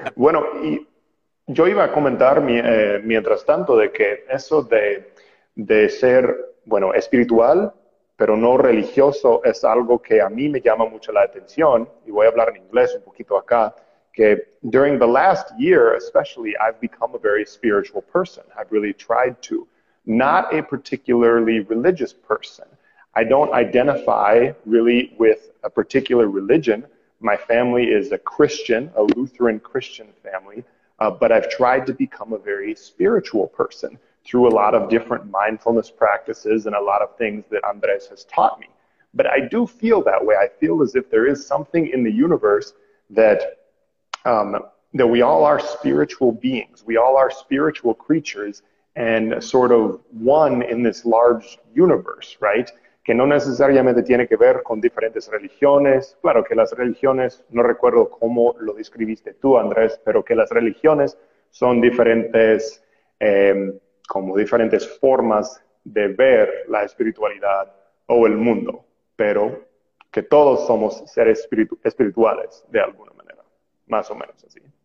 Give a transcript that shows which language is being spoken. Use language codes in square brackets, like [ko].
[es] Bueno, y yo iba a comentar mientras tanto de que eso de ser, bueno, espiritual, pero no religioso, es algo que a mí me llama mucho la atención, y voy a hablar en inglés un poquito acá, que [en] during the last year, especially, I've become a very spiritual person. I've really tried to. Not a particularly religious person. I don't identify really with a particular religion. My family is a Christian, a Lutheran Christian family, but I've tried to become a very spiritual person through a lot of different mindfulness practices and a lot of things that Andres has taught me. But I do feel that way. I feel as if there is something in the universe that we all are spiritual beings. We all are spiritual creatures and sort of one in this large universe, right? [es] Que no necesariamente tiene que ver con diferentes religiones. Claro que las religiones, no recuerdo cómo lo describiste tú, Andrés, pero que las religiones son diferentes, como diferentes formas de ver la espiritualidad o el mundo, pero que todos somos seres espirituales de alguna manera, más o menos así.